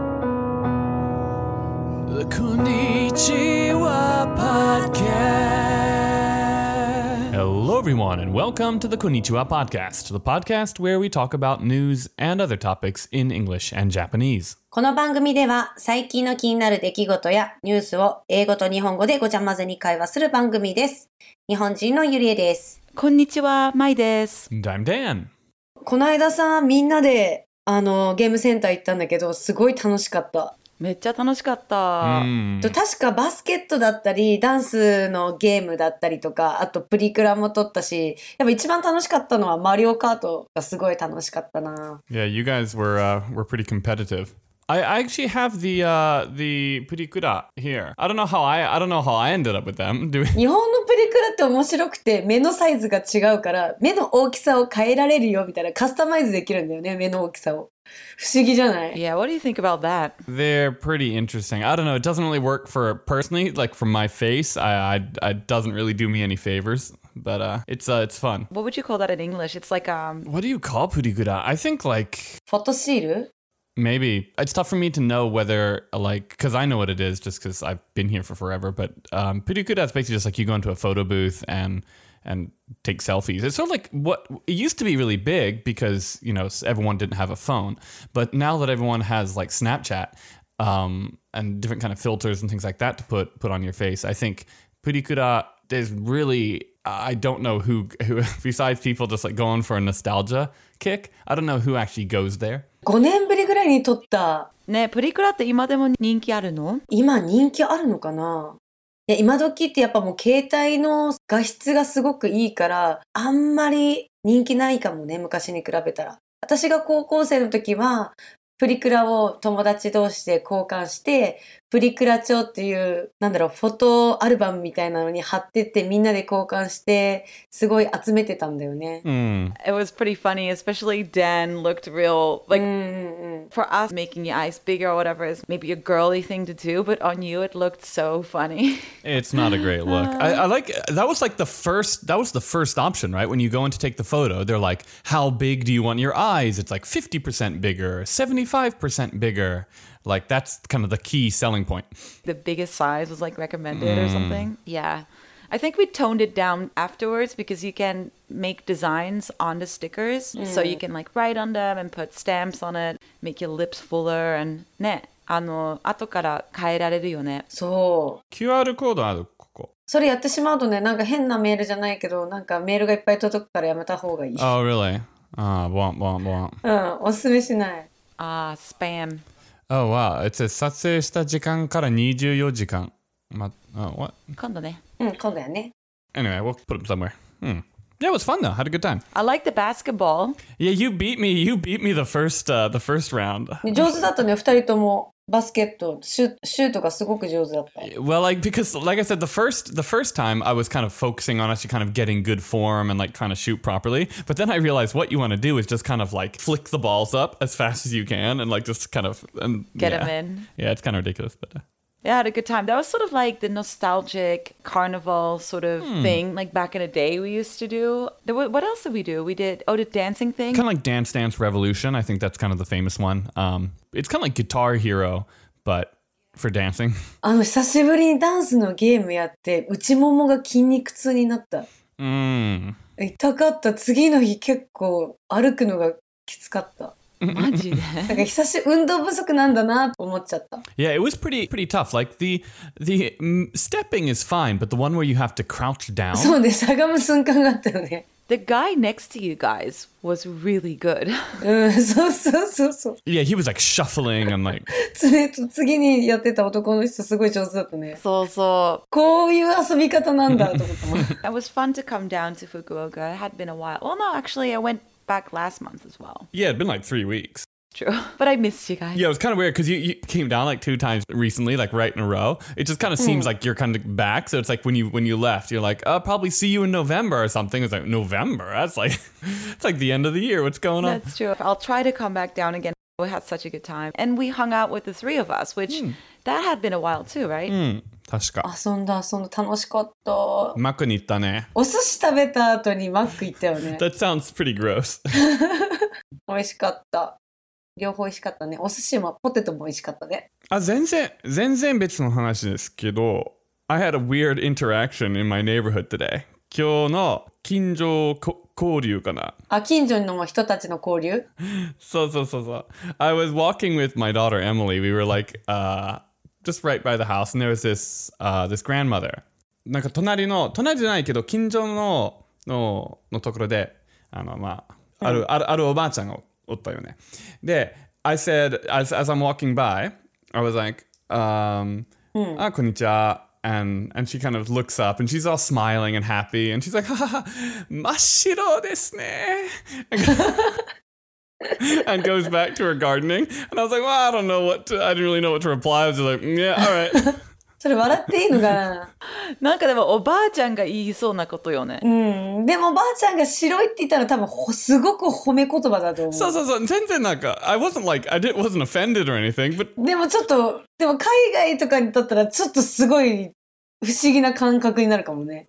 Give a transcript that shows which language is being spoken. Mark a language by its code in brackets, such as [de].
[ja] こんにちは、パッケース。 [en] Hello everyone and welcome to the Konnichiwa Podcast, the podcast where we talk about news and other topics in English and Japanese. [ja] この番組では最近の気になる出来事やニュースを英語と日本語でごちゃ混ぜに会話する番組です。日本人のゆりえです。こんにちは、まいです。 [en] And I'm Dan. [ja] この間さ、みんなでゲームセンター行ったんだけど、すごい楽しかった。めっちゃ楽しかった、うん、確かバスケットだったりダンスのゲームだったりとかあとプリクラも撮ったしやっぱ一番楽しかったのはマリオカートがすごい楽しかったな [en] Yeah, you guys were pretty competitive I actually have the プリクラ here I don't know how I ended up with them Do we... [ja] 日本のプリクラって面白くて目のサイズが違うから目の大きさを変えられるよみたいなカスタマイズできるんだよね目の大きさを [en] Yeah, what do you think about that? They're pretty interesting. I don't know, it doesn't really work for personally, like for my face. It doesn't really do me any favors, but it's fun. What would you call that in English? It's like, What do you call purikura? I think like... Photoseal? Maybe. It's tough for me to know whether, like, because I know what it is just because I've been here for forever, but purikura is basically just like you go into a photo booth and take selfies. It's sort of like what it used to be really big because, you know, everyone didn't have a phone. But now that everyone has like Snapchat and different kind of filters and things like that to put on your face, I think purikura is really, I don't know who besides people just like going for a nostalgia kick. I don't know who actually goes there. [ja] 5年ぶりぐらいに撮った。ね、プリクラって今でも人気あるの？今人気あるのかな？いや今時ってやっぱもう携帯の画質がすごくいいからあんまり人気ないかもね昔に比べたら私が高校生の時はプリクラを友達同士で交換してプリクラ帳っていうなんだろうフォトアルバムみたいなのに貼ってってみんなで交換してすごい集めてたんだよね、 mm. [en] It was pretty funny, especially Dan looked real like、mm-hmm. for us making your eyes bigger or whatever is maybe a girly thing to do but on you it looked so funny It's not a great look I like that was like the first that was the first option right when you go in to take the photo they're like how big do you want your eyes it's like 50% bigger 75% biggerLike, that's kind of the key selling point. The biggest size was, like, recommended or something. Yeah. I think we toned it down afterwards because you can make designs on the stickers. Mm. So you can, like, write on them and put stamps on it, make your lips fuller and... [ja] ね、後から変えられるよね。そう。 QR コードある、ここ。それやってしまうとね、なんか変なメールじゃないけど、なんかメールがいっぱい届くからやめた方がいい。 [en] Oh, really? Ah, womp. [ja] うん、おすすめしない。 [en] Ah, spam. Oh, wow. It says, [ja] 撮影した時間から24時間。 [en] What? [ja] 今度ね。うん、今度やね。 [en] Anyway, we'll put them somewhere. Yeah, it was fun though. Had a good time. I like the basketball. Yeah, you beat me. You beat me the first round. 上手だったね、二人とも。バスケット、シュートがすごく上手だった。 Well, like, because, like I said, the first time I was kind of focusing on actually kind of getting good form and like trying to shoot properly. But then I realized what you want to do is just kind of like flick the balls up as fast as you can and like just kind of... And, get them in. Yeah, it's kind of ridiculous. But, Yeah, I had a good time. That was sort of like the nostalgic carnival sort of thing, like back in the day we used to do. What else did we do? We did, the dancing thing? Kind of like Dance Dance Revolution. I think that's kind of the famous one. It's kind of like Guitar Hero, but for dancing. [ja] 久しぶりにダンスのゲームやって、内ももが筋肉痛になった。痛かった。次の日結構歩くのがきつかった。 [en] Yeah, it was pretty tough. Like the stepping is fine, but the one where you have to crouch down. [ja] そうね、しゃがむ瞬間があったよね。 [en] The guy next to you guys was really good. [ja] そうそうそうそう。 [en] Yeah, he was like shuffling and like. [ja] 次にやってた男の人すごい上手だったね。そうそう。こういう遊び方なんだと思ったもん。 [en] It was fun to come down to Fukuoka. It had been a while. Well, no, actually, I went. Back last month as well. Yeah, it'd been like 3 weeks. True. But I missed you guys. Yeah, it was kind of weird because you came down like 2 times recently, like right in a row. It just kind of seems like you're kind of back. So it's like when you left, you're like, I'll probably see you in November or something. It's like, November? That's like, it's like the end of the year. What's going on? That's true. I'll try to come back down again. We had such a good time. And we hung out with the three of us, which that had been a while too, right? [ja] Mm. 確か。遊んだ、遊んだ、楽しかった。マックに行ったね。お寿司食べた後にマック行ったよね。 [en] That sounds pretty gross. [ja] 美味しかった。両方美味しかったね。お寿司もポテトも美味しかったね。あ、全然、全然別の話ですけど、 [en] I had a weird interaction in my neighborhood today. [ja] 今日の近所交流かな。あ、近所の人たちの交流？そうそうそうそう。 [en] I was walking with my daughter Emily. We were like, just right by the house, and there was this, this grandmother. [ja] なんか隣の、隣じゃないけど近所の、のところで、あのまあ、ある、ある、あるおばあちゃんがおったよね。 [en] で、I said, as I'm walking by, I was like, [ja] あ、こんにちは。 [en] And she kind of looks up and she's all smiling and happy and she's like, ha ha, [ja] 真っ白ですね [en] and goes back to her gardening. And I was like, well, I don't know what to, I didn't really know what to reply. I was just like, yeah, all right. [ja] それ笑っていいのかな。なんかでもおばあちゃんが言いそうなことよね。うん。でもおばあちゃんが白いって言ったら多分すごく褒め言葉だと思う。そうそうそう。全然なんか、 [en] I wasn't like, I didn't, wasn't offended or anything, but... [ja] でもちょっと、でも海外とかにとったらちょっとすごい不思議な感覚になるかもね。